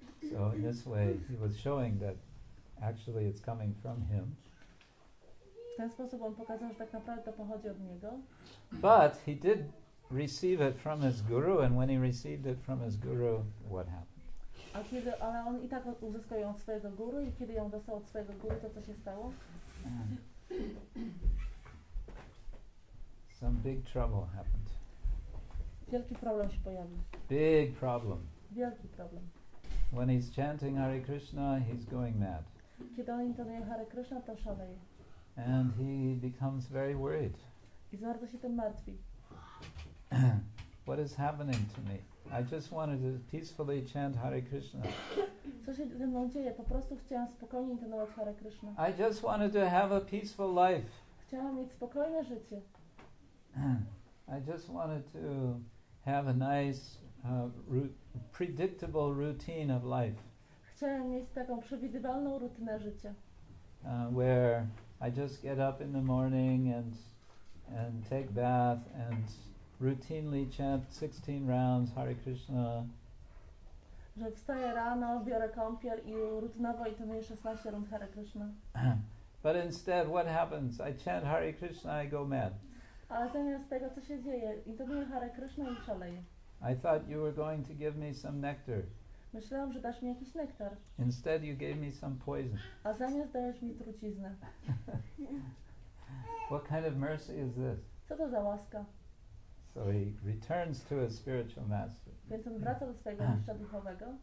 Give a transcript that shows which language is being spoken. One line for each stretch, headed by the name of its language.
English: So in this way he was showing that actually it's coming from him.
Polish: W ten sposób on pokazał, że tak naprawdę to pochodzi od niego.
English: But he did receive it from his guru, and when he received it from his guru, what happened?
Polish: A kiedy, ale on i tak uzyskał ją od swojego guru, i kiedy ją dostał od swojego guru, to co się stało?
English: Some big trouble happened.
Polish: Wielki problem się pojawił.
English: Big problem.
Polish: Wielki problem.
English: When he's chanting Hare Krishna, he's going mad.
Polish: Kiedy on intonuje Hare Krishna, to szaleje.
English: And he becomes very worried.
Polish: I bardzo się tym martwi.
English: What is happening to me? I just wanted to peacefully chant Hare Krishna.
Polish: Co się ze mną dzieje? Po prostu chciałam spokojnie intonować Hare Krishna.
English: I just wanted to have a peaceful life.
Polish: Chciałam mieć spokojne życie.
English: I just wanted to have a nice predictable routine of life.
Polish: Chciałam mieć taką przewidywalną rutynę życia.
English: Where I just get up in the morning and take bath and routinely chant 16 rounds Hare Krishna.
Polish: Że wstaję rano, biorę kąpiel i rutynowo i to mnie 16 rund Hare Krishna.
English: But instead what happens? I chant Hare Krishna, I go mad.
Polish: Ale zamiast tego, co się dzieje? Intonuję Hare Krishna i szaleję.
English: I thought you were going to give me some nectar.
Polish: Myślałam, że dasz mi jakiś nektar.
English: Instead you gave me some poison.
Polish: A zamiast dajesz mi truciznę.
English: What kind of mercy is this?
Polish: Co to za łaska?
English: So he returns to his spiritual master.
Polish: Więc on wraca do swojego mistrza duchowego.